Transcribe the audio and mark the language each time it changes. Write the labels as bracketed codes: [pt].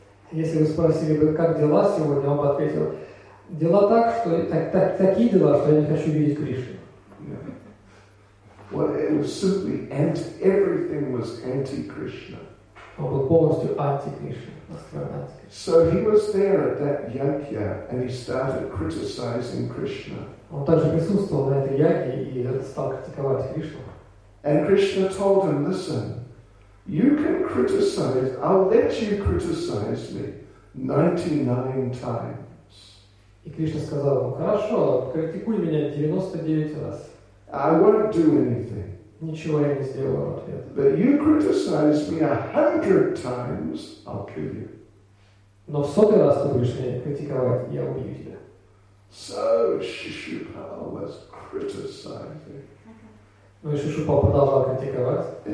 [ru] Если вы спросили бы, как дела сегодня, он бы ответил, дела так, что такие дела, что я не хочу видеть Кришну. [en] Well, it was simply everything was anti-Krishna. [ru] Он был полностью анти-Кришна. [en] So he was there at that yagya and he started criticizing Krishna. [ru] Он также присутствовал на этой ягье и стал критиковать Кришну. [en] And Krishna told him, listen, you can criticize, I'll let you criticize me 99 times. [ru] И Кришна сказал ему, хорошо, критикуй меня 99 раз. [en] I won't do anything. [ru] Ничего я не сделаю в ответ. [en] But you criticize me 100 times, I'll kill you. [ru] Но в сотый раз ты будешь меня критиковать, я убью тебя. [en] So Shishupal was criticizing. [ru] Ну и Шишупал продолжал критиковать.